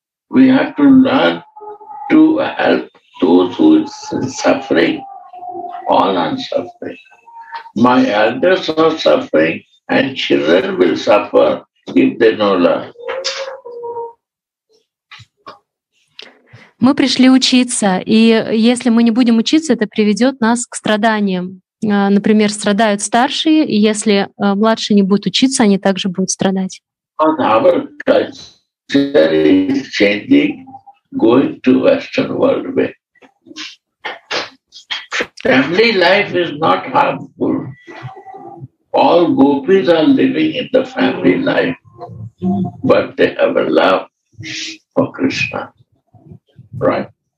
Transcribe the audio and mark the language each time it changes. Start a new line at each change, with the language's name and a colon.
English: We have to learn to help those who are suffering. All are suffering. My elders are suffering and children will suffer if they don't learn.
Russian: Мы пришли учиться, и если мы не будем учиться, это приведет нас к страданиям. Например, страдают старшие, и если младшие не будут учиться, они также будут страдать.
English: And our culture is changing, going to Western world way. Family life is not harmful. All gopis are living in the family life, but they have a love for Krishna, right?